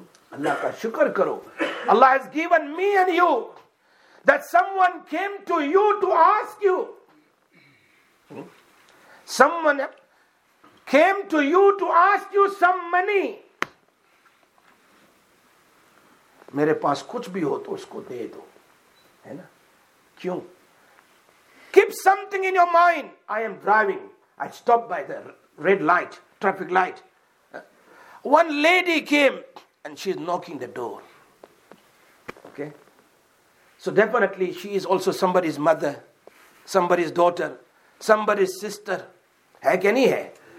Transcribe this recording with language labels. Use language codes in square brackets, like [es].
[ur] اللہ کا شکر کرو, [en] اللہ has given me and you that someone came to you to ask you, someone came to you to ask you some money. [ur] میرے پاس کچھ بھی ہو تو اس کو دے دو, ہے نا. [en] کیوں؟ Keep something in your mind. I am driving. I stop by the red light traffic light. One lady came and she's knocking the door. Okay? So definitely she is also somebody's mother, somebody's daughter, somebody's sister. [ur] Hai ke nahi hai?